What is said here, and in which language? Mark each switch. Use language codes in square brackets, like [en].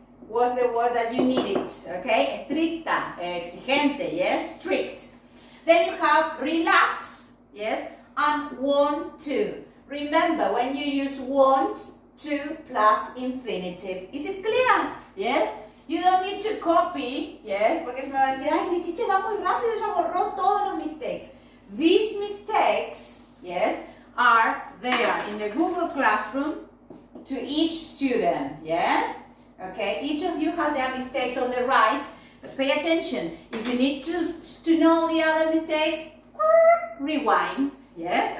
[en] was the word that you needed, okay? [es] Estricta, exigente, [en] yes, strict. Then you have relax, yes, and want to. Remember, when you use want to plus infinitive, is it clear? Yes? You don't need to copy, yes? [es] Porque se me van a decir, ay, mi teacher va muy rápido, ya borró todos los mistakes. [en] These mistakes, yes, are there in the Google Classroom to each student, yes? Okay, each of you has their mistakes on the right. But pay attention. If you need to know the other mistakes, rewind, yes?